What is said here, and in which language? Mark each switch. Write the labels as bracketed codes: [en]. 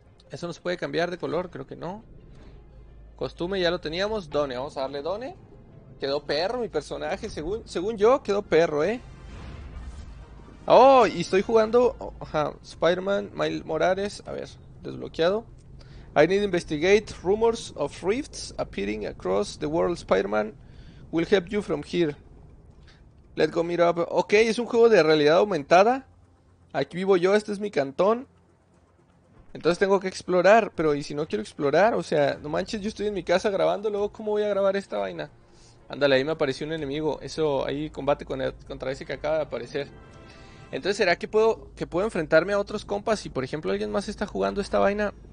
[es] ¿Eso no se puede cambiar de color? Creo que no. Costume, ya lo teníamos. Done, vamos a darle done. Quedó perro mi personaje, según yo, quedó perro, Oh, y estoy jugando, Spider-Man, Miles Morales, a ver, desbloqueado. [en] I need to investigate rumors of rifts appearing across the world. Spider-Man will help you from here. Let go meet up. [es] Ok, es un juego de realidad aumentada. Aquí vivo yo, este es mi cantón. Entonces tengo que explorar. Pero, ¿y si no quiero explorar? O sea, no manches, yo estoy en mi casa grabando. Luego, ¿cómo voy a grabar esta vaina? Ándale, ahí me apareció un enemigo. Eso, ahí combate contra ese que acaba de aparecer. Entonces, ¿será que puedo enfrentarme a otros compas? Si, por ejemplo, alguien más está jugando esta vaina.